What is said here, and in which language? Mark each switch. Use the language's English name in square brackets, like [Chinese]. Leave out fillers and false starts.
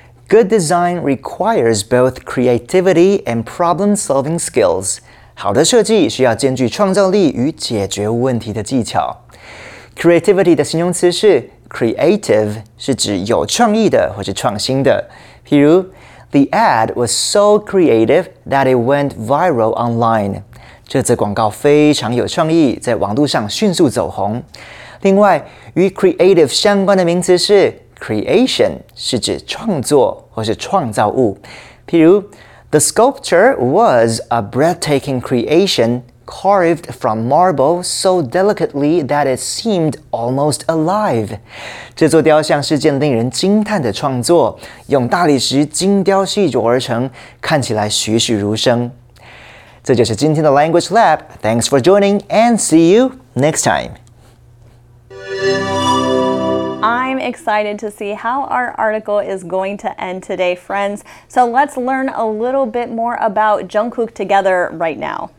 [English] Good design requires both creativity and problem-solving skills. [Chinese] 好的设计需要兼具创造力与解决问题的技巧。 Creativity 的形容词是 creative, 是指有创意的或是创新的。譬如 [English] ,The ad was so creative that it went viral online. [Chinese] 这则广告非常有创意，在网络上迅速走红。另外，与 creative 相关的名词是 creation， 是指创作或是创造物。譬如 [English] ，The sculpture was a breathtaking creation carved from marble so delicately that it seemed almost alive。 [Chinese] 这座雕像是件令人惊叹的创作，用大理石精雕细琢而成，看起来栩栩如生。这就是今天的 Language Lab. [English] Thanks for joining and see you next time. I'm excited to see how our article is going to end today, friends. So let's learn a little bit more about Jungkook together right now.